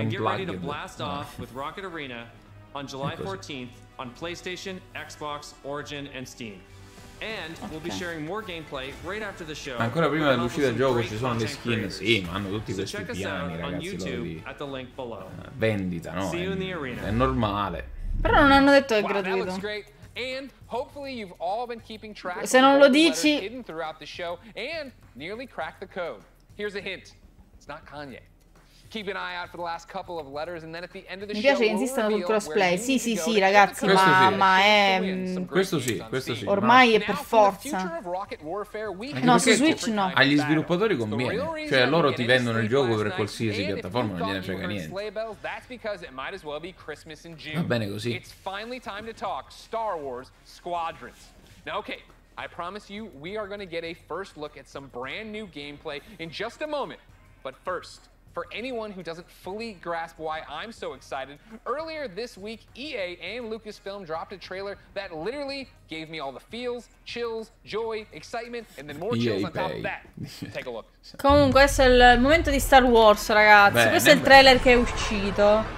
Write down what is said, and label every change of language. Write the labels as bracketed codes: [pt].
[en] And get ready to blast off with Rocket Arena on July 14th on PlayStation, Xbox, Origin and Steam. And we'll be sharing more gameplay right after the show. [it] Ancora prima dell'uscita del gioco ci sono le skin, sì, ma hanno tutti questi piani, ragazzi, lo di vendita, no? È normale. Però non hanno detto che è gratuito. [en] And hopefully you've all been keeping track [it] se non lo dici [en] hidden throughout the show and nearly cracked the code. Here's a hint. It's not Kanye. Keep an eye out for the last couple of letters and then at the end of the [it] mi piace [en] show [it] che insistano sul crossplay. Sì, sì, sì, ragazzi, ma è questo sì, questo sì. Ormai ma... è per forza. [en] Warfare, [it] no, su Switch no. Agli sviluppatori conviene. Cioè, loro ti vendono il gioco per qualsiasi piattaforma, non gliene frega niente. Va bene così. [en] It's finally time to talk Star Wars Squadrons. Now okay, I promise you we are going to get a first look at some brand new gameplay in just a moment. But first, for anyone who doesn't fully grasp why I'm so excited, earlier this week, EA and Lucasfilm dropped a trailer that literally gave me all the feels, chills, joy, excitement, and then more chills on top of that. Take a look. [it] Comunque, questo è il momento di Star Wars, ragazzi. Beh, questo è il trailer che è uscito.